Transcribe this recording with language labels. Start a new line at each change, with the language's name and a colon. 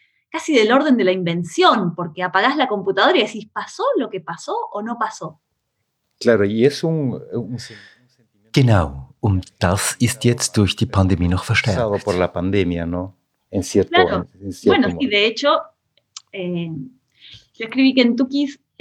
Spanish: Casi del orden de la invención, porque apagás la computadora y decís, ¿pasó lo que pasó o no pasó? Claro, y es un
German: genau, und das ist jetzt durch die Pandemie noch verstärkt.
Spanish: Pasado por la pandemia, ¿no? En cierto, claro. Bueno, sí, de hecho, yo escribí Kentuckys